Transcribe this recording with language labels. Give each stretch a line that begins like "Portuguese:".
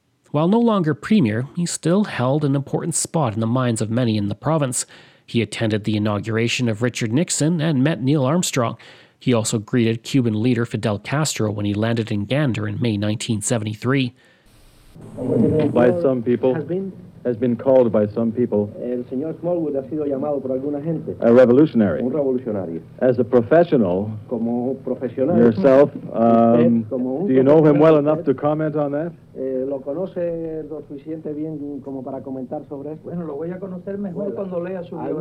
English: While no longer Premier, he still held an important spot in the minds of many in the province. He attended the inauguration of Richard Nixon and met Neil Armstrong. He also greeted Cuban leader Fidel Castro when he landed in Gander in May 1973. "By some people, has been called by some people,
Spanish: el señor Smallwood ha sido llamado por alguna gente,
English: a revolutionary.
Spanish: Un revolucionario.
English: As a professional,
Spanish: como profesional
English: yourself, do you know him well enough to comment on that?"
Spanish: "Lo conoce lo suficiente bien como para comentar sobre esto." "Bueno, lo voy a conocer mejor cuando lea su biografía."